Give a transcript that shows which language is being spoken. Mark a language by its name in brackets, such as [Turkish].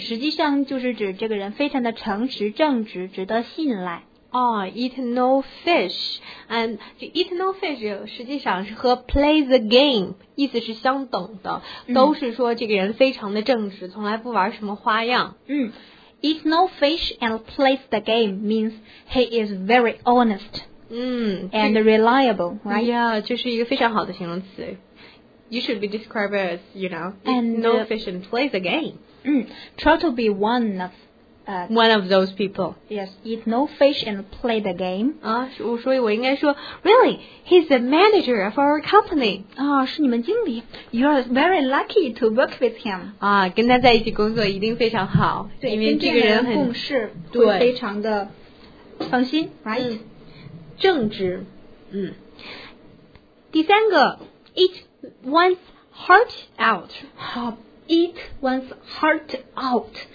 [Chinese] 实际上就是指这个人非常的诚实正直值得信赖 [English] 哦、oh, eat no fish and eat no fish [Chinese] 实际上是和 [English] play the game [Chinese] 意思是相等的、嗯、都是说这个人非常的正直从来不玩什么花样 [English] 嗯Eat no fish and plays the game means he is very honest、嗯、 and reliable, right? Yeah, [Chinese] 这是一个非常好的形容词。 [English] You should be described as, you know, and, eat no fish and plays the game.、嗯、try to be one of,、 one of those people. Yes, eat no fish and play the game.、啊、 [Chinese] 所以我应该说 [English] really, he's the manager of our company.、 [Chinese] 啊、是你们经理。 [English] You are very lucky to work with him.、 [Chinese] 啊、跟他在一起工作一定非常好。对跟这个人共事会非常的放心 right?、嗯、正直、嗯、第三个 eat one's heart out [English] 好 eat one's heart out、